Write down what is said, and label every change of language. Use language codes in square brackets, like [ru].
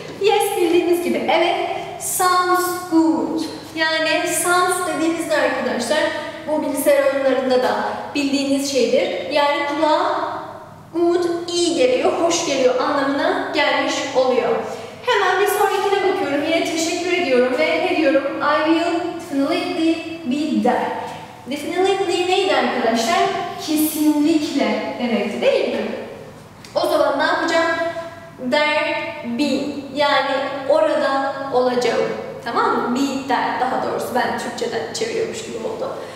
[tr] Yes, bildiğiniz gibi evet, [en] sounds good. [tr] Yani sounds dediğimizde arkadaşlar, bu bilgisayar oyunlarında da bildiğiniz şeydir. Yani kulağa good, iyi geliyor, hoş geliyor anlamına gelmiş oluyor. Hemen bir sonrakine bakıyorum. Yine teşekkür ediyorum ve ne diyorum? [en] I will definitely be there. [tr] Definitely neydi arkadaşlar? Kesinlikle demekti değil mi? O zaman ne yapacağım? There be. Yani orada olacağım. Tamam mı? Be there. Daha doğrusu ben Türkçeden çeviriyormuş gibi oldu.